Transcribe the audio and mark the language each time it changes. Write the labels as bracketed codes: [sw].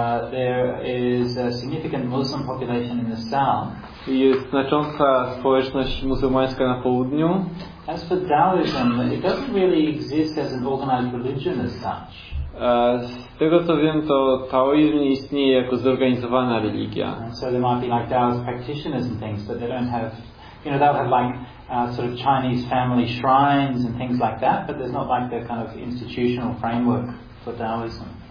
[en] There is a significant Muslim population in the south. [pl] jest znacząca społeczność muzułmańska na południu. [en] As for Taoism, it doesn't really exist as an organized religion as such. [pl] Z tego co wiem, to taoizm nie istnieje jako zorganizowana religia. [en] And so there might be like Taoist practitioners and things, but they don't have, you know, they'll have like sort of Chinese family shrines and things like that, but there's not like their kind of institutional framework for Taoism.